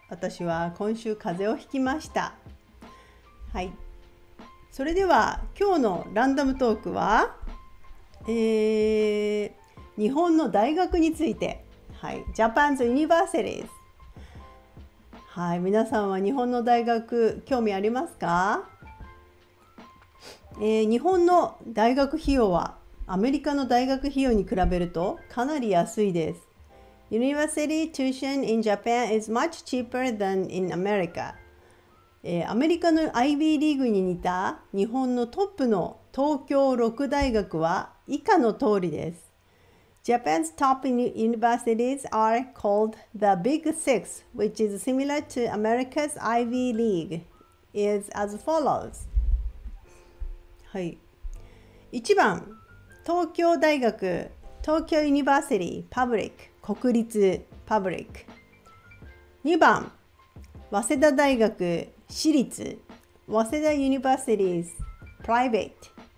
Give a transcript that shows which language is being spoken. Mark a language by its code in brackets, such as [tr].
[ja] 私は今週風邪をひきました。はい、それでは今日のランダムトークは、日本の大学について。 [en] はい、 Japan's Universities。 [ja] はい、皆さんは日本の大学興味ありますか？日本の大学費用はアメリカの大学費用に比べるとかなり安いです。 [en] University tuition in Japan is much cheaper than in America。 [ja] アメリカの IB リーグに似た日本のトップの東京六大学は以下の通りです。 [en] Japan's top universities are called the Big Six, which is similar to America's IB League, is as follows。 [ja] はい、1番、東京大学、 [en] 東京ユニバーシティ、パブリック、 [ja] 国立、パブリック。 2番、早稲田大学、私立、 [en] 早稲田ユニバーシティ、プライベート。